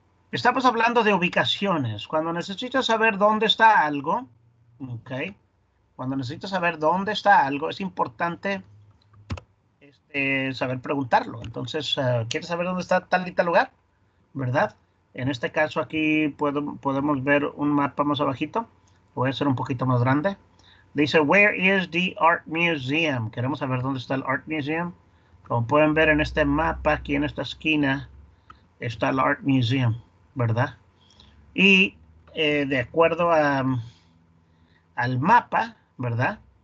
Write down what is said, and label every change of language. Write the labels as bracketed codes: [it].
[es] Estamos hablando de ubicaciones. Cuando necesitas saber dónde está algo, okay, cuando necesitas saber dónde está algo, es importante saber preguntarlo. Entonces, ¿quieres saber dónde está tal y tal lugar? ¿Verdad? En este caso aquí podemos ver un mapa más abajito. Voy a hacer un poquito más grande. [en] Dice, where is the art museum? [es] Queremos saber dónde está el art museum. Como pueden ver en este mapa, aquí en esta esquina, está el art museum, ¿verdad? Y de acuerdo al mapa, ¿verdad?